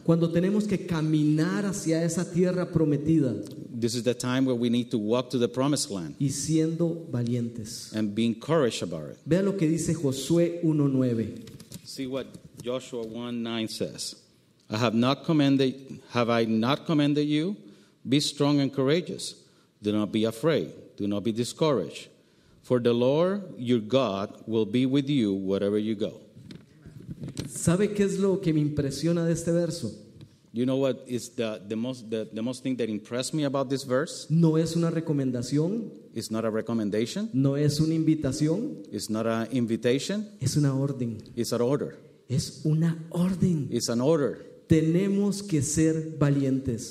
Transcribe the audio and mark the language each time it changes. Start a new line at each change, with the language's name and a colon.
Spanish: Cuando tenemos que caminar hacia esa tierra prometida.
English: This is the time where we need to walk to the promised land.
Spanish: Y siendo valientes.
English: And being courage about it.
Spanish: Vea lo que dice Josué 1:9.
English: See what Joshua 1:9 says. Have I not commanded you? Be strong and courageous. Do not be afraid. Do not be discouraged. For the Lord your God will be with you wherever you go.
Spanish: ¿Sabe qué es lo que me impresiona de este verso?
English: You know what is the most thing that impressed me about this verse?
Spanish: No es una recomendación.
English: It's not a recommendation.
Spanish: No es una invitación.
English: It's not an invitation.
Spanish: Es una orden.
English: It's an order.
Spanish: Es una orden.
English: It's an order.
Spanish: Tenemos que ser valientes.